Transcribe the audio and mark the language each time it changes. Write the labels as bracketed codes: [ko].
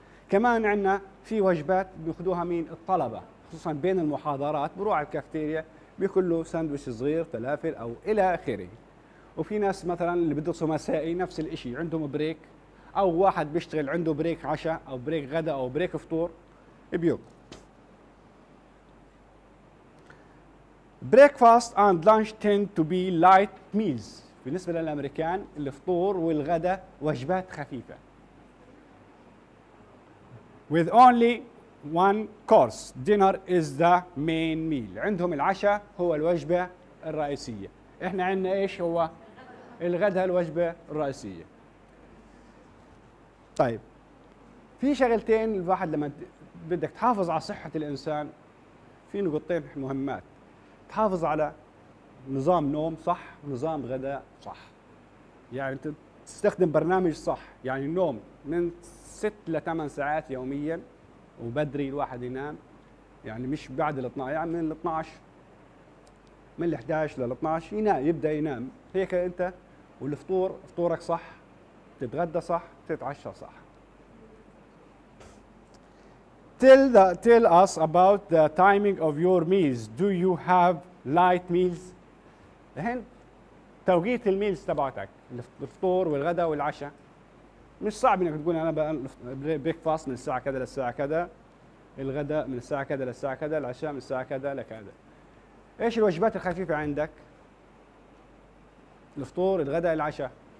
[ar] كمان عندنا في وجبات بياخذوها مين؟ الطلبة، خصوصا بين المحاضرات، بروح على الكافتيريا بيكون له ساندويش صغير فلافل او الى اخره. وفي ناس مثلا اللي بدرسوا مسائي نفس الشيء، عندهم بريك او واحد بيشتغل عنده بريك عشاء او بريك غداء او بريك فطور بيوقف. [en] Breakfast and lunch tend to be light meals. [ar] بالنسبة للأمريكان الفطور والغداء وجبات خفيفة. With only one course, dinner is the main meal. عندهم العشاء هو الوجبة الرئيسية. إحنا عندنا إيش هو؟ الغداء الوجبة الرئيسية. طيب، في شغلتين الواحد لما بدك تحافظ على صحة الإنسان، في نقطتين مهمات. تحافظ على نظام نوم صح، نظام غداء صح. يعني تستخدم برنامج صح، يعني النوم من 6 ل 8 ساعات يوميا، وبدري الواحد ينام، يعني مش بعد ال 12، يعني من ال 12، من ال 11 لل 12 ينام، يبدا ينام هيك انت. والفطور فطورك صح، تتغدى صح، تتعشى صح. [en] Tell us about the timing of your meals. Do you have light meals? [ar] الحين توقيت الميلز تبعتك، الفطور والغداء والعشاء، مش صعب انك تقول انا بريكفاست من الساعه كذا للساعه كذا، الغداء من الساعه كذا للساعه كذا، العشاء من الساعه كذا لكذا. ايش الوجبات الخفيفه عندك؟ الفطور الغداء العشاء.